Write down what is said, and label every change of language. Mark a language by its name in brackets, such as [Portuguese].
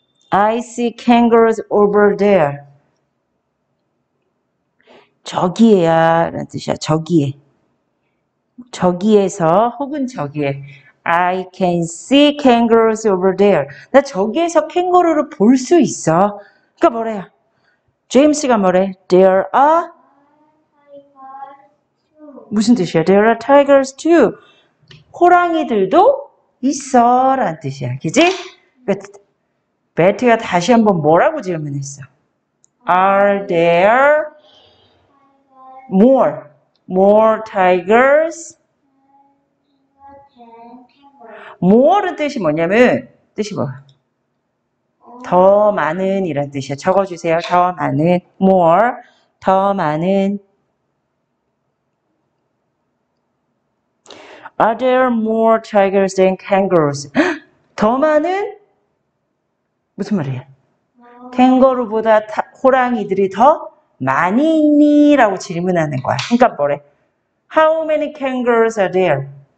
[English] I see kangaroos over there. [Korean] 저기에야 라는 뜻이야. 저기에. 저기에서 혹은 저기에. [English] I can see kangaroos over there. [Korean] 나 저기에서 캥거루를 볼 수 있어. 그러니까 뭐래요? 제임스가 뭐래? [English] There are tigers too. [Korean] 무슨 뜻이야? [English] There are tigers too. [Korean] 호랑이들도 있어. 라는 뜻이야. 그지? 베티가 다시 한번 뭐라고 질문했어? [English] Are there more tigers? [Korean] More는 뜻이 뭐냐면, 뜻이 뭐? 더 많은 이란 뜻이야. 적어주세요. 더 많은. More. 더 많은. [English] Are there more tigers than kangaroos? [Korean] 더 많은? 무슨 말이야? 캥거루보다 호랑이들이 더 많이 있니? 라고 질문하는 거야. 그러니까 뭐래? [English] How many kangaroos are there?